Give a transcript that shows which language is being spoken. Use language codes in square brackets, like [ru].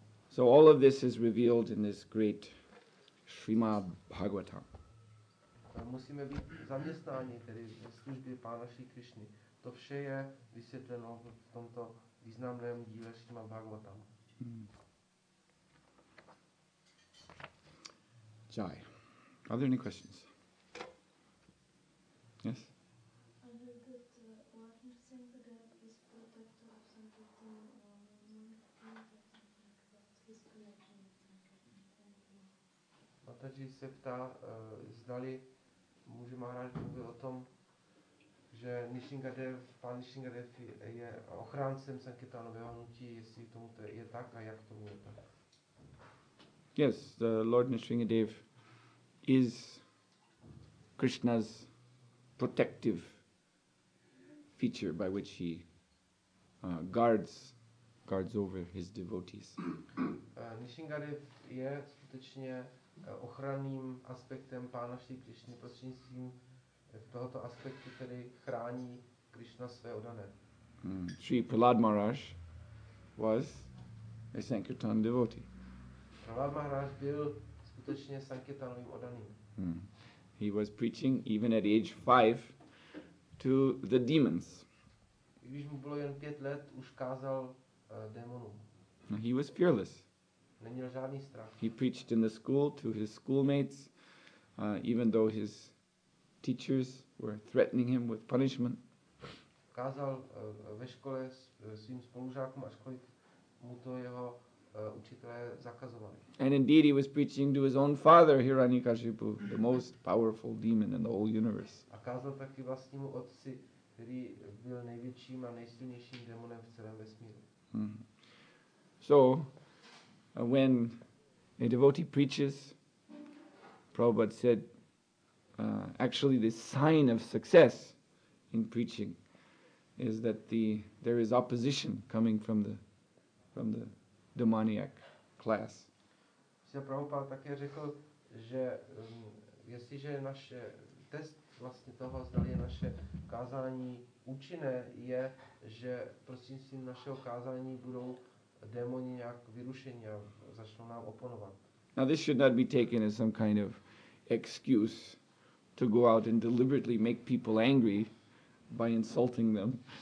[en] So all of this is revealed in this great Srimad Bhagavatam. [cs] Musíme být zaměstnáni tedy ve službě Pána Šri Krišny. To vše je vysvětleno v tomto významném díle Srimad Bhagavatam. [en] Jai. Are there any questions? Yes? [cs] Mataji se ptá, zdali může Maharaj mluvit o tom, že Nishingadev, pán Nishingadev je ochráncem Sankirtanového hnutí, jestli tomu to je tak a jak tomu je tak. [en] Yes, the Lord Nishingadev is Krishna's protective feature by which he guards over his devotees. [cs] Nishingadev je skutečně ochranným aspektem Pána Šri Krišny, prostřednictvím tohoto aspektu, který chrání Krišna své odané. [en] Sri Prahlad Maharaj was a Sankirtan devotee. [cs] Prahlad Maharaj byl skutečně Sankirtanovým odaným. [en] He was preaching even at age 5 to the demons. [cs] Když mu bylo jen 5 let, už kázal démonům. [en] He was fearless. [cs] Neměl žádný strach. [en] He preached in the school to his schoolmates, even though his teachers were threatening him with punishment. [cs] Kázal ve škole svým spolužákům, ačkoliv mu to jeho učitelé zakazovali. [en] And indeed he was preaching to his own father, Hiranyakashipu, the most powerful demon in the whole universe. [cs] A kázal taky vlastnímu otci, který byl největším a nejsilnějším démonem v celém vesmíru. [en] So, when a devotee preaches, Prabhupada said, actually the sign of success in preaching is that there is opposition coming from the demoniac class. [cs] Prabhupada také řekl, že jestliže naše test vlastně toho, zda je naše kázání účinné, je, že prostřednictvím našeho kázání budou démoni nějak vyrušení a začnou nám oponovat. [en] Now this should not be taken as some kind of excuse to go out and deliberately make people angry by insulting them.